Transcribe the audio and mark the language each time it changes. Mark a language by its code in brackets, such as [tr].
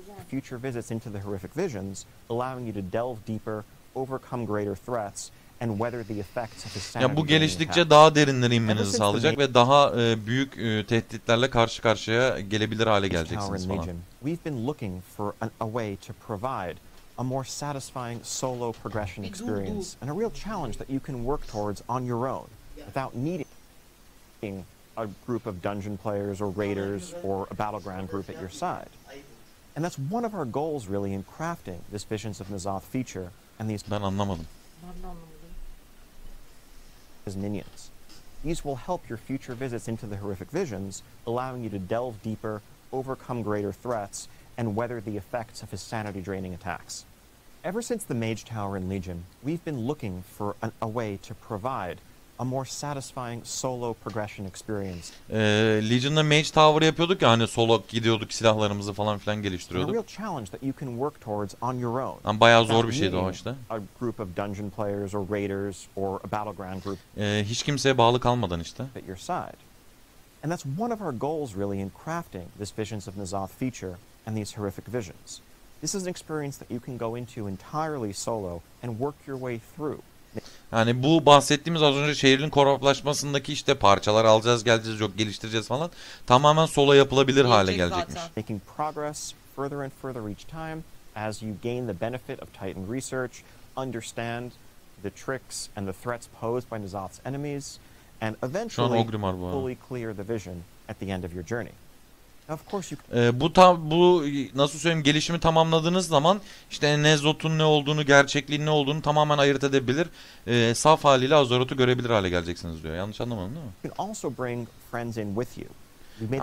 [en] Future visits into the horrific visions, allowing you to delve deeper, overcome greater threats, and weather the effects of the sanity. [tr] Ya bu geliştikçe daha derinlere inmenizi sağlayacak ve daha büyük tehditlerle karşı karşıya gelebilir hale geleceksiniz falan. [en] We've been looking for a way to provide a more satisfying solo progression experience and a real challenge that you can work towards on your own without needing a group of dungeon players or raiders or a battleground group at your side. And that's one of our goals really in crafting this Visions of Nazoth feature and these [tr] ben anlamadım. [en] Minions. These will help your future visits into the horrific visions, allowing you to delve deeper, overcome greater threats, and weather the effects of his sanity draining attacks. Ever since the Mage Tower in Legion, we've been looking for a way to provide a more satisfying solo progression experience. [tr] Legion'da Mage Tower yapıyorduk ya, hani solo gidiyorduk, silahlarımızı falan filan geliştiriyorduk. [en] A real challenge that you can work towards on your own. [tr] Yani bayağı zor bir şeydi o işte. [en] A group of dungeon players or raiders or a battleground group. [tr] Hiç kimseye bağlı kalmadan işte. [en] At your side. And that's one of our goals really in crafting this Visions of Nazoth feature and these horrific visions. This is an experience that you can go into entirely solo and work your way through. [tr] Yani bu bahsettiğimiz az önce şehrin korumalaşmasındaki işte parçalar alacağız, geleceğiz, yok geliştireceğiz falan, tamamen solo yapılabilir hale gelecekmiş. [en] Making progress further and further each time as you gain the benefit of Titan research, understand the tricks and the threats posed by Nazoth's enemies, and eventually fully clear the vision at the end of your journey. Of course you. [tr] Bu nasıl söyleyeyim, gelişimi tamamladığınız zaman işte Nezot'un ne olduğunu, gerçekliğin ne olduğunu tamamen ayırt edebilir, saf haliyle Azeroth'u görebilir hale geleceksiniz diyor. Yanlış anlamadım değil mi? [en] You can also bring friends in with you.